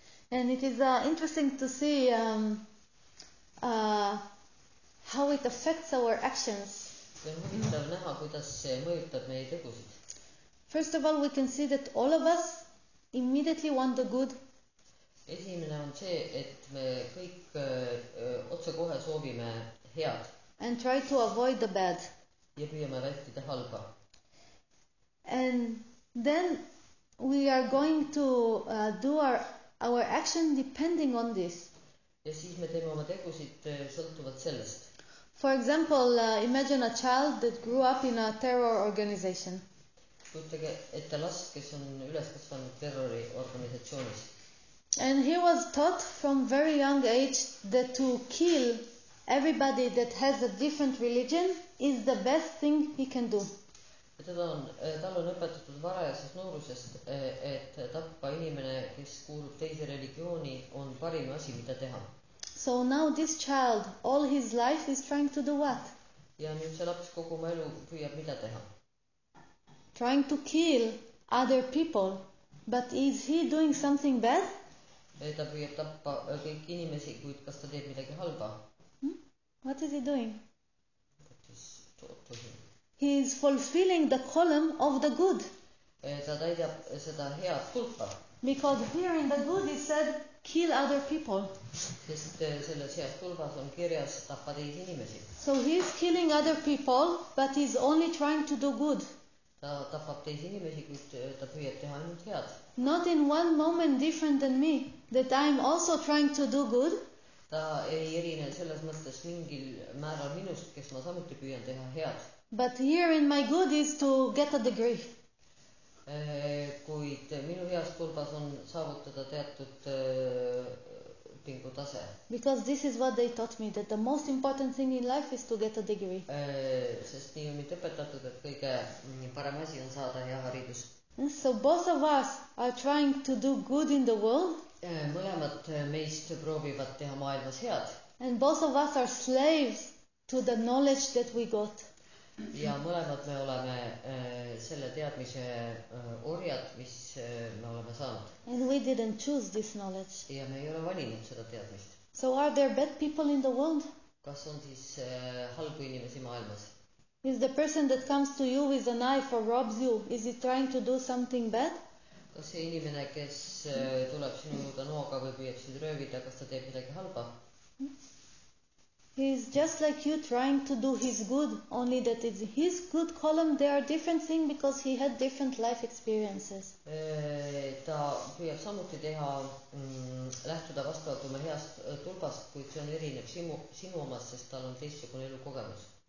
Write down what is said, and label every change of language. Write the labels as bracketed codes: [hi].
[en] And it is interesting to see how it affects our actions. [et] Ja huvitav näha, kuidas see mõjutab meie tegusid. [en] First of all, we can see that all of us immediately want the good. [et] Esimene on see, et me kõik otse kohe soovime head. [en] And try to avoid the bad. [et] Ja püüame vältida halba. [en] And then we are going to do our action depending on this. [et] Ja siis me teeme oma tegusid sõltuvalt sellest. [en] For example, imagine a child that grew up in a terror organization. [et] Kujutage ette last, kes on üles kasvanud terrori organisatsioonis. [en] And he was taught from very young age that to kill everybody that has a different religion is the best thing he can do. [et] Tal on õpetatud varajasest noorusest, et tappa inimene, kes kuulub teise religiooni, on parim asi, mida teha. [en] So So now this child, all his life, is trying to do what? [et] Ja nüüd see laps kogu oma elu püüab mida teha? [en] Trying to kill other people. But is he doing something bad? [et] Ta püüab tappa kõik inimesi, kuid kas ta teeb midagi halba? [en] What is he doing? Just he is fulfilling the column of the good. [et] Ta täidab seda head kulpa. [en] Because here in the good he said, kill other people. [et] Sest selles heas kulpas on kirjas, tappa teid inimesi. [en] So he is killing other people, but he is only trying to do good. [et] Ta tapab teisi inimesi, kuid ta püüab teha ainult head. [en] Not in one moment different than me, that I am also trying to do good. [et] Ta ei erine selles mõttes mingil määral minust, kes ma samuti püüan teha head. [en] But here in my good is to get a degree. [et] Kuid minu heas kulpas on saavutada teatud pingutase. [en] Because this is what they taught me, that the most important thing in life is to get a degree. [et] Sest nii on mind õpetatud, et kõige parem asi on saada hea haridus. [en] So both of us are trying to do good in the world. [et] Mõlemad meist proovivad teha maailmas head. [en] And both of us are slaves to the knowledge that we got. [et] Ja mõlemad me oleme selle teadmise orjad, mis me oleme saanud. [en] And we didn't choose this knowledge. [et] Ja me ei ole valinud seda teadmist. [en] So are there bad people in the world? [et] Kas on siis halbu inimesi maailmas? [en] Is the person that comes to you with a knife or robs you, is he trying to do something bad? [et] Kas see inimene, kes tuleb sinu juurde nooga või püüab siit röövida, kas ta teeb midagi halba? [en] He is just like you trying to do his good, only that it's his good column, they are different thing because he had different life experiences. [et] Ta püüab samuti teha, lähtuda vastavalt oma heast tulpast, kuid see on erinev sinu omas, sest tal on teissugune elu kogemus.